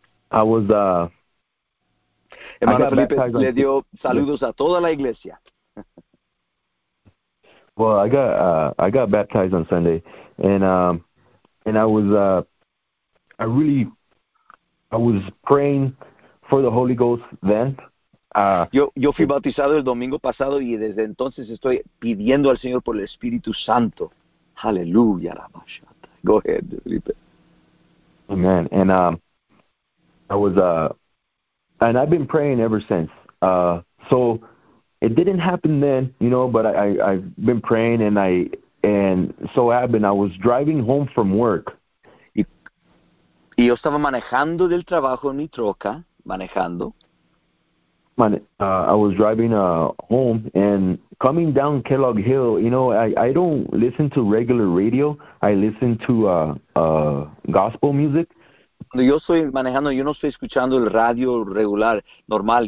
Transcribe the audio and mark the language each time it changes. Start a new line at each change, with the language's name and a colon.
Spanish: Hermano Felipe le dio saludos a toda la iglesia.
English: Well, I got baptized on Sunday, and I was praying for the Holy Ghost then.
Spanish: Yo fui bautizado el domingo pasado y desde entonces estoy pidiendo al Señor por el Espíritu Santo.
English: Hallelujah, Ramashata. Go ahead, Felipe. Amen. And and I've been praying ever since. So it didn't happen then, you know, but I've been praying and I was driving home from work.
Spanish: Y yo estaba manejando del trabajo en mi troca, manejando.
English: I was driving home and coming down Kellogg Hill. You know, I don't listen to regular radio. I listen to gospel music.
Spanish: Cuando yo estoy manejando, yo no estoy escuchando el radio regular, normal.